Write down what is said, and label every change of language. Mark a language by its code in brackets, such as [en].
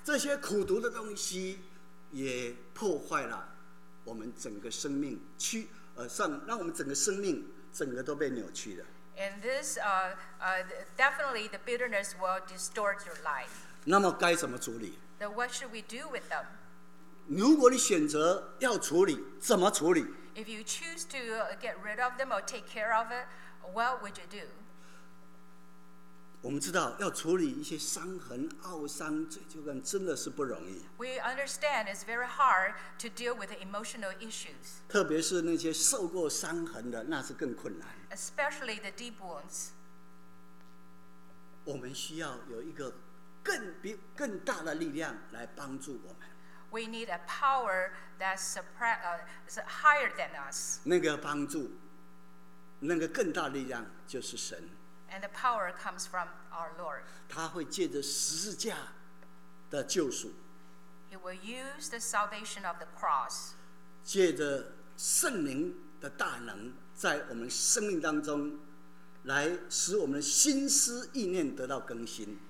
[zh] 这些苦毒的东西也破坏了我们整个生命，让我们整个生命整个都被扭曲了。 [en] And this definitely the bitterness will distort your life. [zh] 那么该怎么处理？ [en] Then what should we do with them? [zh] 如果你选择要处理，怎么处理？ [en] If you choose to get rid of them or take care of it, what would you do? [zh] 我们知道要处理一些伤痕、懊伤、罪疚感，真的是不容易。 [en] We understand it's very hard to deal with emotional issues. [zh] 特别是那些受过伤痕的，那是更困难。 [en] Especially the deep wounds. [zh] 我们需要有一个更大的力量来帮助我们。 [en] We need a power that's higher than us. [zh] 那个帮助，那个更大力量就是神。 [en] And the power comes from our Lord. [zh] 他会借着十字架的救赎。 [en] He will use the salvation of the cross. [zh] 借着圣灵的大能，在我们生命当中，来使我们的心思意念得到更新。